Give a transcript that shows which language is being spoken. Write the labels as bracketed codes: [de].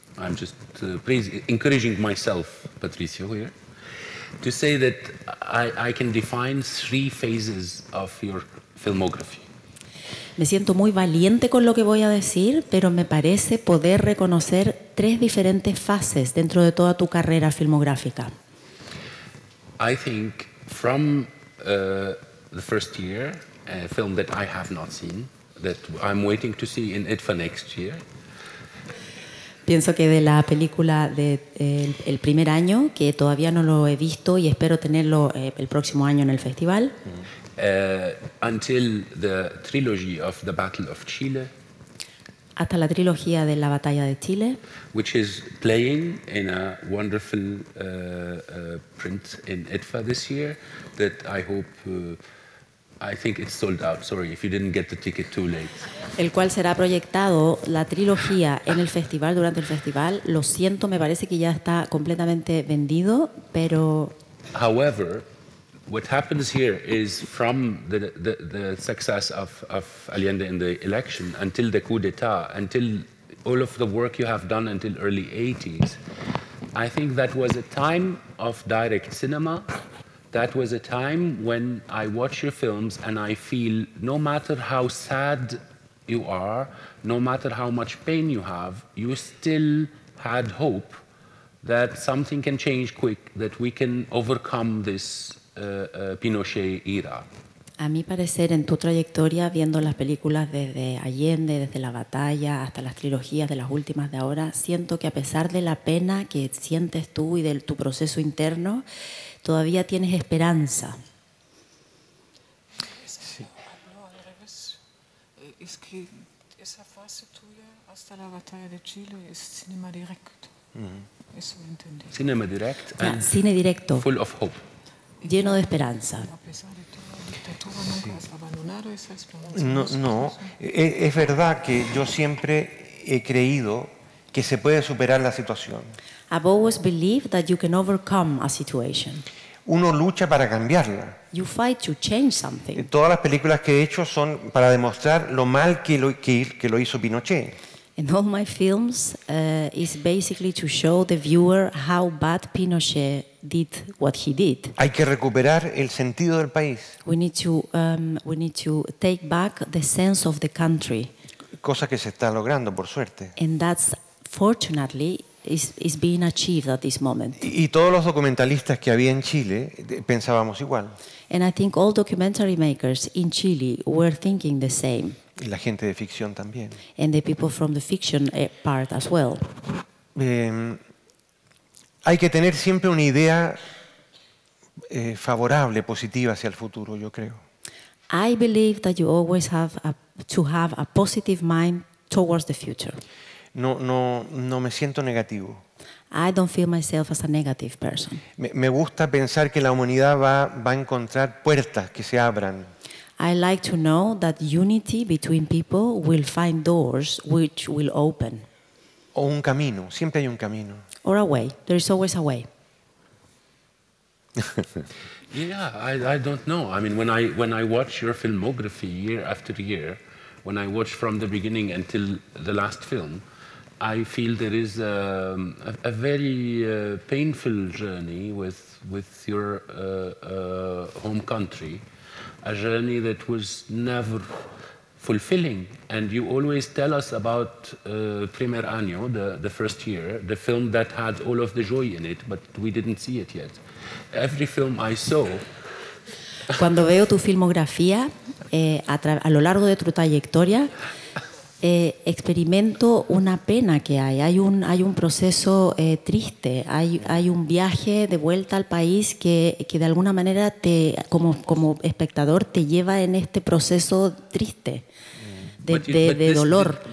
[en] I'm just encouraging myself, Patricio, here, to say that I can define 3 phases of your filmography. [es] Me siento muy valiente con lo que voy a decir, pero me parece poder reconocer 3 diferentes fases dentro de toda tu carrera filmográfica. [en] I think from the first year, a film that I have not seen, that I'm waiting to see in ITFA next year. [es] Pienso que de la película de el primer año, que todavía no lo he visto y espero tenerlo el próximo año en el festival. [en] Until the trilogy of the Battle of Chile. [es] Hasta la trilogía de la Batalla de Chile. [en] Which is playing in a wonderful print in ITFA this year that I hope I think it's sold out. Sorry if you didn't get the ticket too late. [es] El cual será proyectado la trilogía en el festival durante el festival. Lo siento, me parece que ya está completamente vendido, pero [en] however, what happens here is from the success of Allende in the election until the coup d'etat, until all of the work you have done until early 80s. I think that was a time of direct cinema. That was a time when I watch your films and I feel no matter how sad you are, no matter how much pain you have, you still had hope that something can change quick, that we can overcome this Pinochet era. [es] A mi parecer, en tu trayectoria, viendo las películas desde Allende, desde La Batalla, hasta las trilogías de las últimas de ahora, siento que a pesar de la pena que sientes tú y de tu proceso interno, todavía tienes esperanza. Sí. No, al revés. Es que esa fase tuya hasta la Batalla de Chile es cinema directo. Mm-hmm. Eso lo entendí. [en] Cinema direct, [es] and cine directo. [en] Full of hope. [es] Lleno de esperanza. A pesar de toda la dictadura, nunca has abandonado esa esperanza. No. Es verdad que yo siempre he creído que se puede superar la situación. [en] I've always believed that you can overcome a situation. [es] Uno lucha para cambiarla. [en] You fight to change something. [es] Todas las películas que he hecho son para demostrar lo mal que lo hizo Pinochet. [en] In all my films, is basically to show the viewer how bad Pinochet did what he did. [es] Hay que recuperar el sentido del país. [en] We need to take back the sense of the country. [es] Cosa que se está logrando, por suerte. [en] And that's fortunately is being achieved at this moment. [es] Y todos los documentalistas que había en Chile pensábamos igual. [en] And I think all documentary makers in Chile were thinking the same. [es] Y la gente de ficción también. [en] And the people from the fiction part as well. [es] Hay que tener siempre una idea favorable, positiva hacia el futuro, yo creo. [en] I believe that you always have to have a positive mind towards the future. [es] No me siento negativo. [en] I don't feel myself as a negative person. [es] Me gusta pensar que la humanidad va a encontrar puertas que se abran. [en] I like to know that unity between people will find doors which will open. [es] O un camino, siempre hay un camino. [en] Or a way, there is always a way. Yeah, I don't know. I mean, when I watch your filmography year after year, when I watch from the beginning until the last film, I feel there is a very painful journey with your home country. A journey that was never fulfilling. And you always tell us about Primer Año, the first year, the film that had all of the joy in it, but we didn't see it yet. Every film I saw... [es] Cuando veo tu filmografía, a lo largo de tu trayectoria, experimento una pena que hay. Hay un proceso triste. Hay un viaje de vuelta al país que de alguna manera te como espectador te lleva en este proceso triste de dolor.